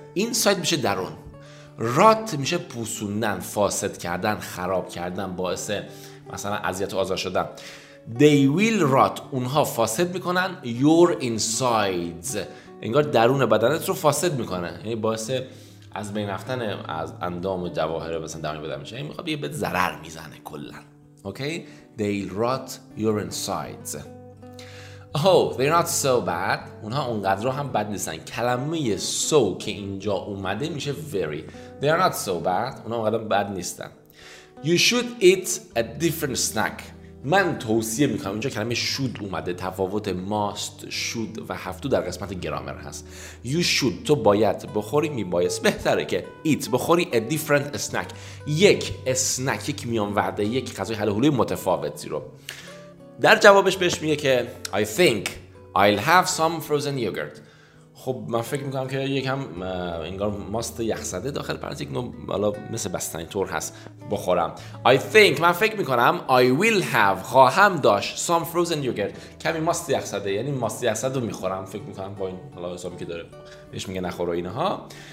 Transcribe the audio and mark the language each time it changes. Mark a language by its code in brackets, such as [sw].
[fa] Inside میشه درون، rot میشه پوسوندن، فاسد کردن، خراب کردن، باعث مثلا اذیت و آزار شدن. [en] They will rot، [fa] اونها فاسد میکنن، [en] your insides [fa] انگار درون بدنت رو فاسد میکنه، یعنی باعث از بین رفتن از اندام و جواهر مثلا درون بدن میشه، یعنی میخواد یه بهت ضرر میزنه کلا. [en] Okay, They'll rot your insides. Oh, they're not so bad. [fa] اونها اونقدر هم بد نیستن. کلمه so که اینجا اومده میشه very. [en] They are not so bad. [fa] اونها اونقدر بد نیستن. [en] You should eat a different snack. [fa] من توصیه میکنم، اینجا کلمه should اومده، تفاوت must، should و هفتو در قسمت گرامر هست. [en] You should، [fa] تو باید بخوری، میبایست، بهتره که eat، بخوری [en] a different snack. [fa] یک snack، یک میان وعده، یک غذای حلهوله متفاوتی رو. در جوابش بهش میگه که [en] I think I'll have some frozen yogurt. [fa] خب من فکر میکنم که یکم انگار ماست یخزده داخل پرانتز یک نوع بالا مثل بستنی طور هست بخورم. [en] I think، [fa] من فکر میکنم، [en] I will have، [fa] خواهم داشت، [en] some frozen yogurt، [fa] کمی ماست یخزده، یعنی ماست یخزده رو میخورم فکر میکنم، با این حالا حسابی که داره بهش میگه نخور و اینها.